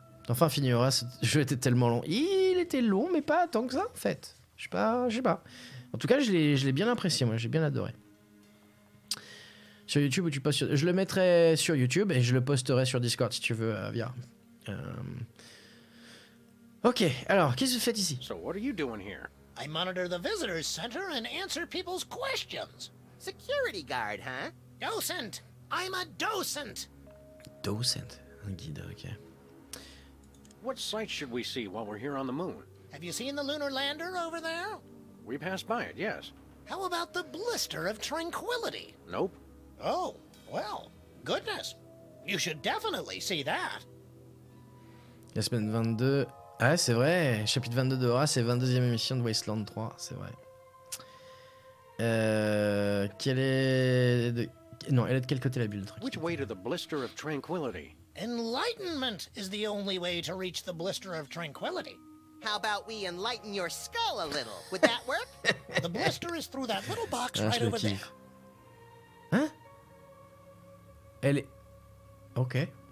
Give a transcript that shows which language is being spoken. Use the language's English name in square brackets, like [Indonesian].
[French] Enfin, fini Horace, ce jeu était tellement long. Il était long, mais pas tant que ça, en fait. Je sais pas. En tout cas, je l'ai bien apprécié, moi, j'ai bien adoré. Sur YouTube, ou tu postes sur... Je le mettrai sur YouTube et je le posterai sur Discord, si tu veux, via... Ok, alors, qu'est-ce que vous faites ici? [English] So what are you doing here? I monitor the visitor's center and answer people's questions. Security guard, huh? Docent! I'm a docent! [French] Docent, un guide, ok. [English] What sights should we see while we're here on the moon? Have you seen the lunar lander over there? We passed by it, yes. How about the blister of tranquility? Nope. Oh, well, goodness. You should definitely see that. [French] La semaine 22... Ah, c'est vrai, chapitre 22 de Horace, c'est 22e émission de Wasteland 3, c'est vrai. Quelle est... Non, elle est de quel côté la bulle de [English] Tranquillité? Which way to the blister of tranquility? Enlightenment is the only way to reach the blister of tranquility. How about we enlighten your skull a little? Would that work? The blister is through that little box right over there. [French] Hein? Elle est... Ok.